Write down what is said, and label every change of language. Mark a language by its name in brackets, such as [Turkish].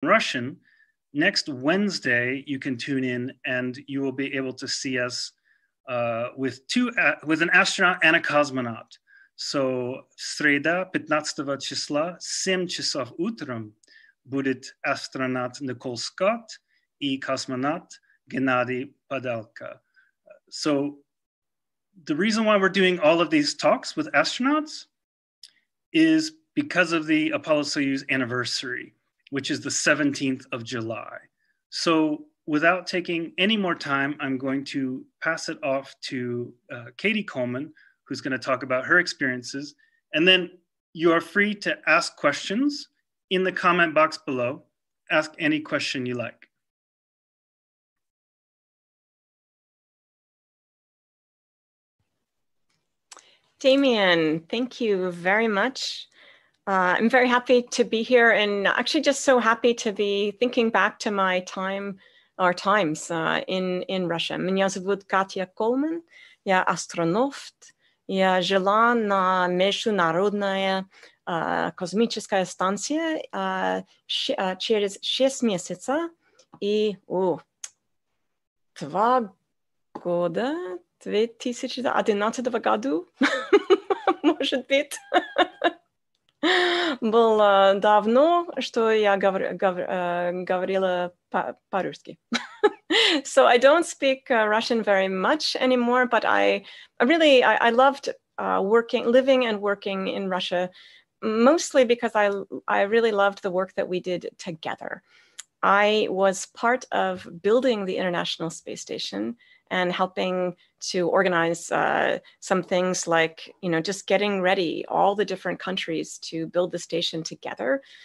[English] Russian, next Wednesday you can tune in and you will be able to see us with an astronaut and a cosmonaut. [Russian] So Sreda, 15-го числа, 7 часов утром, будет астронавт Николь Скотт и космонавт Геннадий Падалка. [English] So the reason why we're doing all of these talks with astronauts is because of the Apollo-Soyuz anniversary, which is the 17th of July. So without taking any more time, I'm going to pass it off to Cady Coleman, who's going to talk about her experiences. And then you are free to ask questions in the comment box below. Ask any question you like. Damian, thank you very much. I'm very happy to be here and actually just so happy to be thinking back to my time, our times in Russia. [Russian] Меня зовут Катя Колман, я астронавт. Я жила на международная космическая станция через 6 месяцев и 2 года, 2011 году, может быть. Было давно, что я говорила по-русски. [English] So I don't speak Russian very much anymore, but I loved living and working in Russia, mostly because I really loved the work that we did together. I was part of building the International Space Station and helping to organize some things like, you know, just getting ready all the different countries to build the station together.